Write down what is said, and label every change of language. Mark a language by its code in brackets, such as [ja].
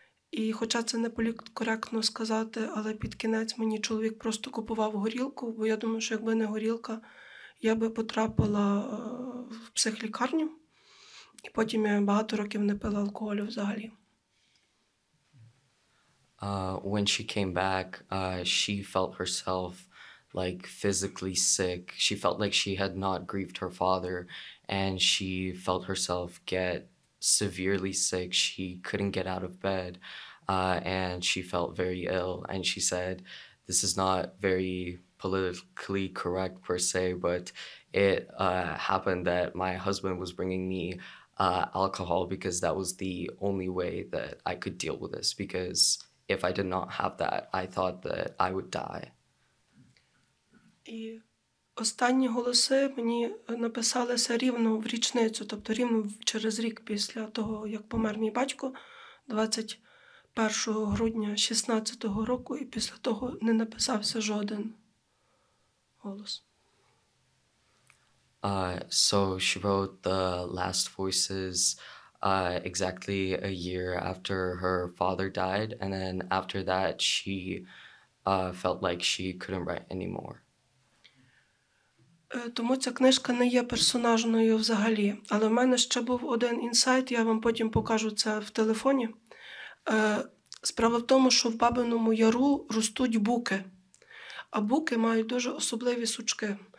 [uk] І хоча це не політкоректно сказати, але під кінець мені чоловік просто купував горілку, бо я думаю, що якби не горілка, я би потрапила в психлікарню. І потім я багато років не пила алкоголю взагалі. [en] When she came back, she felt herself like physically sick. She felt like she had not grieved her father, and she felt herself get severely sick. She couldn't get out of bed, and she felt very ill. And she said, this is not very politically correct per se, but it happened that my husband was bringing me alcohol because that was the only way that I could deal with this, because if I did not have that, I thought that I would die. [uk] І останні голоси мені написалися рівно в річницю, тобто рівно через рік після того, як помер мій батько, 21 грудня 16-го року, і після того не написався жоден голос. [en] So she wrote The Last Voices exactly a year after her father died, and then after that she felt like she couldn't write anymore. [uk] Тому ця книжка не є персонажною взагалі, але в мене ще був один інсайт, я вам потім покажу це в телефоні. Справа в тому, що в Бабиному Яру ростуть буки, а буки мають дуже особливі сучки.